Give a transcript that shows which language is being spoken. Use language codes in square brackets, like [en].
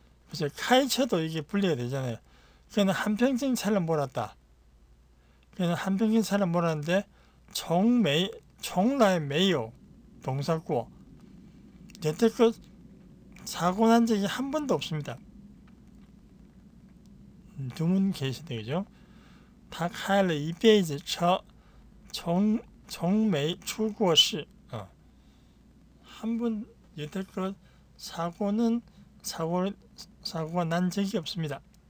[ko] 무슨 开车도 이게 불려야 되잖아요. 그는 한평생 차를 몰았다. 그는 한평생 차를 몰았는데, [zh] 从来没有 [ko] 동사고, 여태껏 사고 난 적이 한 번도 없습니다. 두분 계시네요, 그죠? [zh] 他开了一辈子车，从没出过事. [ko] 한번 여태껏 사고가 난 적이 없습니다.